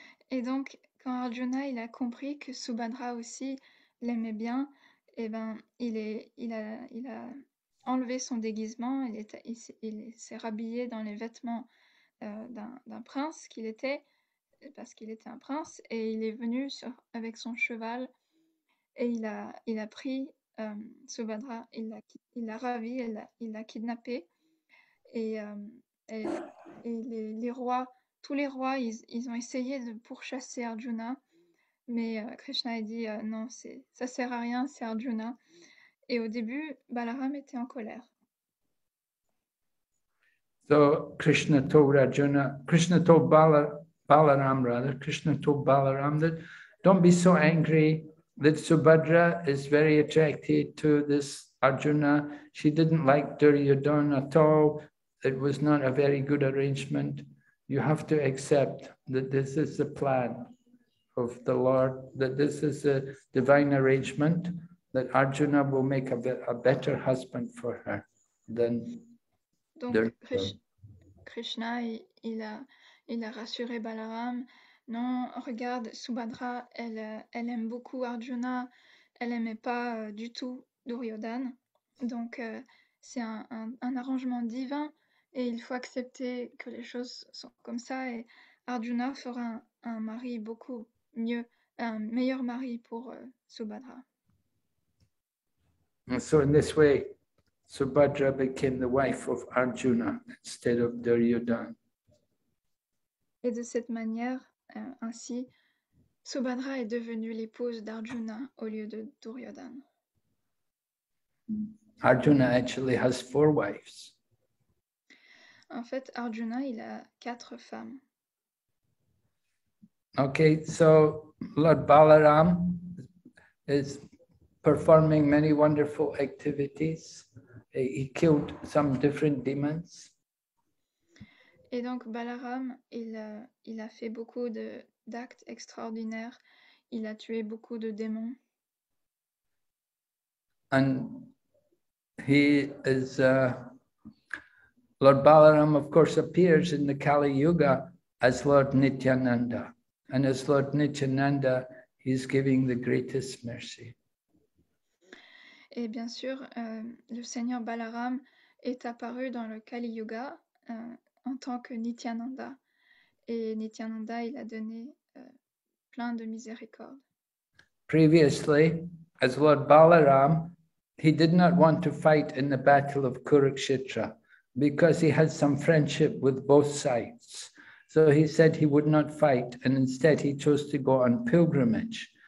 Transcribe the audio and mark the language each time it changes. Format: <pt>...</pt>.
<fr>Et donc, quand Arjuna, il a compris que Subhadra aussi l'aimait bien, eh ben, il a enlevé son déguisement, il s'est rhabillé dans les vêtements d'un prince qu'il était, parce qu'il était un prince, et il est venu avec son cheval et il a pris Subhadra, il l'a ravi, il l'a kidnappé, et les rois, tous les rois, ils ont essayé de pourchasser Arjuna, mais Krishna a dit non, ça sert à rien, c'est Arjuna. Et au début Balaram était en colère.</fr> <en>So Krishna told Arjuna, Krishna told Balaram rather, Krishna told Balaram that don't be so angry that Subhadra is very attracted to this Arjuna. She didn't like Duryodhana at all. It was not a very good arrangement. You have to accept that this is the plan of the Lord, that this is a divine arrangement, that Arjuna will make a better husband for her than...</en> <fr>Donc Krishna, il a rassuré Balaram. Non, regarde, Subhadra, elle aime beaucoup Arjuna. Elle aimait pas du tout Duryodhana. Donc c'est un arrangement divin et il faut accepter que les choses sont comme ça. Et Arjuna fera un mari beaucoup mieux, un meilleur mari pour Subhadra.</fr> <en>So in this way, Subhadra became the wife of Arjuna instead of Duryodhana.</en> <fr>Et de cette manière, ainsi, Subhadra est devenue l'épouse d'Arjuna au lieu de Duryodhana.</fr> <en>Arjuna actually has four wives.</en> <fr>En fait, Arjuna, il a quatre femmes.</fr> <en>Okay, so Lord Balaram is performing many wonderful activities. He killed some different demons.</en> <fr>Et donc Balaram, il a fait beaucoup d'actes extraordinaires. Il a tué beaucoup de démons.</fr> <en>And he is Lord Balaram, of course, appears in the Kali Yuga as Lord Nityananda. And as Lord Nityananda, he's giving the greatest mercy.</en> <fr>Et bien sûr, le Seigneur Balaram est apparu dans le Kali Yuga en tant que Nityananda. Et Nityananda, il a donné plein de miséricorde.</fr> <en>Previously, as Lord Balaram, he did not want to fight in the battle of Kurukshetra because he had some friendship with both sides. So he said he would not fight, and instead he chose to go on pilgrimage.</en>